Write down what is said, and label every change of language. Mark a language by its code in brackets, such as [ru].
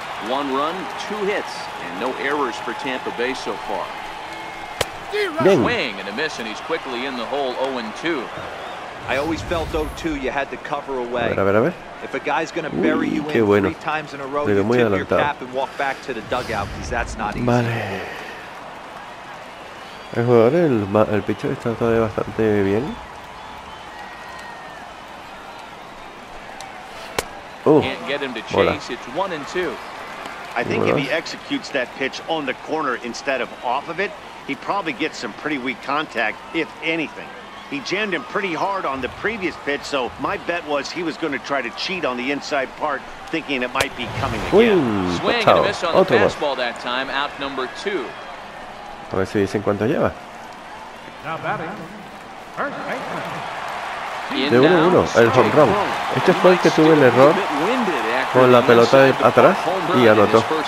[en] One run, two hits, and no errors for Tampa Bay so far. [es] Bien. [en] Swing and a miss, and he's quickly in the hole 0-2. I always felt 0-2 you had to cover away. [es] A ver. [en] If a guy's going to bury you in [es] bueno. [en] Three times in a row, you tip your cap and walk back to the dugout, because that's not easy. [es] Vale. El jugador, el pitcher está todavía bastante bien. [en] Can't get him to chase. [es] Hola. [en] It's 1-2. I think if he executes that pitch on the corner instead of off of it, he probably gets some pretty weak contact, if anything. He jammed him pretty hard on the previous pitch, so my bet was he was going to try to cheat on the inside part, thinking it might be coming again. Swing and a miss on the fastball that time, out number two. [es] A ver si dicen cuánto lleva. [en] Now batting. First baseman. [es] De 1-1, el home run. Este fue el que tuve el error con la pelota de atrás y anotó.